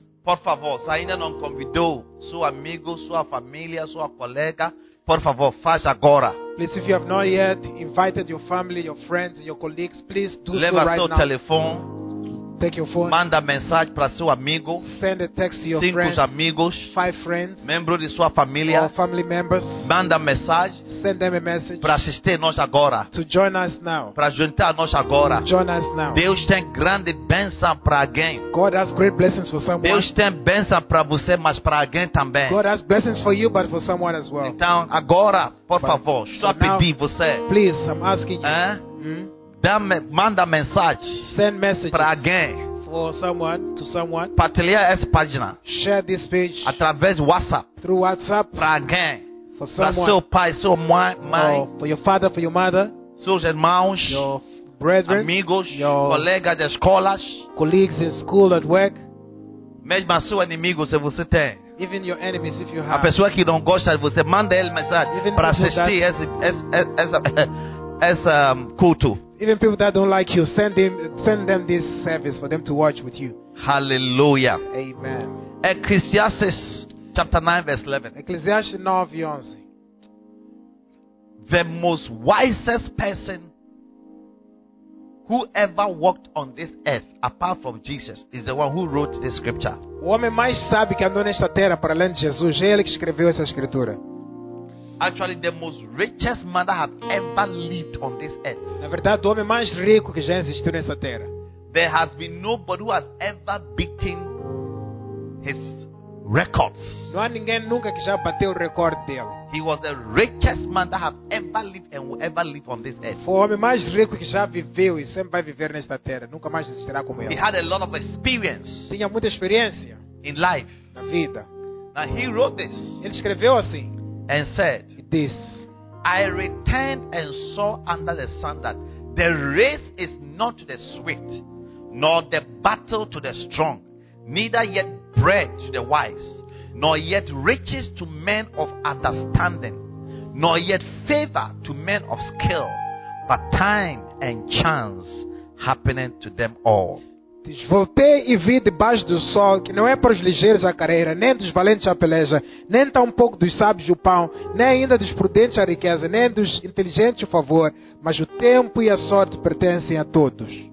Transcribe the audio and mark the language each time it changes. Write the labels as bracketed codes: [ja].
[pt] Por favor, se ainda não convidou seu amigo, sua família, sua colega, por favor, faça agora. [en] Please, if you have not yet invited your family, your friends, your colleagues, please do so right now. [pt] Leva seu telefone. [en] Take your phone. [pt] Manda mensagem para seu amigo. [en] Send a text to your [pt] cinco [en] friends. [pt] Cinco amigos. [en] Five friends. [pt] Membro de sua família. [en] Or family members. [pt] Manda mensagem. [en] Send them a message. [pt] Para assistir nós agora. [en] To join us now. [pt] Para juntar nós agora. [en] Join us now. [pt] Deus tem grande bênção para alguém. [en] God has great blessings for someone. [pt] Deus tem bênção para você, mas para alguém também. [en] God has blessings for you, but for someone as well. [pt] Então agora, por favor, só pedir você. [en] Please, I'm asking you. [pt] Manda mensagem. [en] Send messages [pt] para alguém. [en] For someone, to someone. [pt] Partilha essa página. [en] Share this page. [pt] Através WhatsApp. [en] Through WhatsApp. [pt] Para alguém. [en] For someone. [pt] Para seu pai, sua mãe. [en] Or for your father, for your mother. [pt] Seus irmãos. [en] Your brethren. [pt] Amigos. [en] Your [pt] colegas de escolas. [en] Colleagues in school, at work. [pt] Mesmo seu inimigo, se você tem. [en] Even your enemies, if you have. [pt] A pessoa que não gosta de você, manda ele mensagem. [en] Even [pt] para assistir essa culto. [en] Even people that don't like you, send them this service for them to watch with you. Hallelujah. Amen. Ecclesiastes chapter 9 verse 11. Ecclesiastes 9 11. The most wisest person who ever walked on this earth apart from Jesus is the one who wrote this scripture. [pt] O homem mais sábio que andou nesta terra para além de Jesus é ele que escreveu essa escritura. [en] Actually, the most richest man that have ever lived on this earth. [pt] Na verdade, o homem mais rico que já existiu nessa terra. [en] There has been nobody who has ever beaten his records. [pt] Não há ninguém nunca que já bateu o recorde dele. [en] He was the richest man that have ever lived and will ever live on this earth. [pt] Foi o homem mais rico que já viveu e sempre vai viver nesta terra. Nunca mais existirá como ele. [en] He had a lot of experience. [pt] Tinha muita experiência. [en] In life. [pt] Na vida. [en] Now he wrote this. [pt] Ele escreveu assim. [en] And said, this, I returned and saw under the sun that the race is not to the swift, nor the battle to the strong, neither yet bread to the wise, nor yet riches to men of understanding, nor yet favor to men of skill, but time and chance happening to them all. [pt] Voltei e vi debaixo do sol que não é para os ligeiros a carreira, nem dos valentes a peleja, nem tampouco dos sábios o pão, nem ainda dos prudentes a riqueza, nem dos inteligentes o favor, mas o tempo e a sorte pertencem a todos.